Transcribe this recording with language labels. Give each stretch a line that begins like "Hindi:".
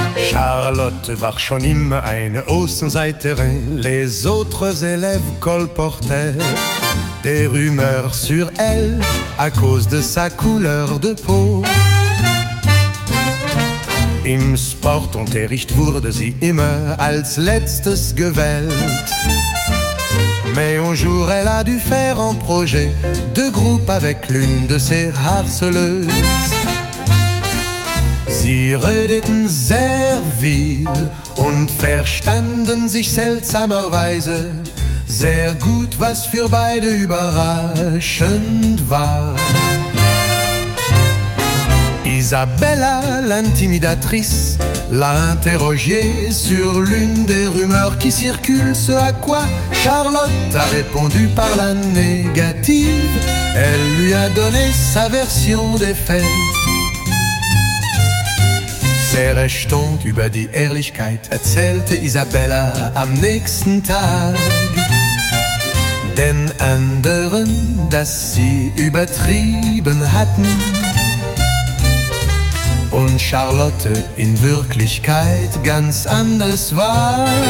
German: Charlotte Barchonim, eine Außenseiterin.
French: Les autres élèves colportaient des rumeurs sur elle à cause de sa couleur de peau.
German: Im Sportunterricht wurde sie immer als letztes gewählt.
French: Mais un jour elle a dû faire un projet de groupe avec l'une de ses harceleuses.
German: Sie redeten sehr viel und verstanden sich seltsamerweise sehr gut, was für beide überraschend war.
French: Isabella, l'intimidatrice, l'a interrogé sur l'une des rumeurs qui circulent, ce à quoi Charlotte a répondu par la négative. Elle lui a donné sa version des faits.
German: Sehr recht und über die Ehrlichkeit, erzählte Isabella am nächsten Tag den anderen, dass sie übertrieben hatten und Charlotte in Wirklichkeit ganz anders war.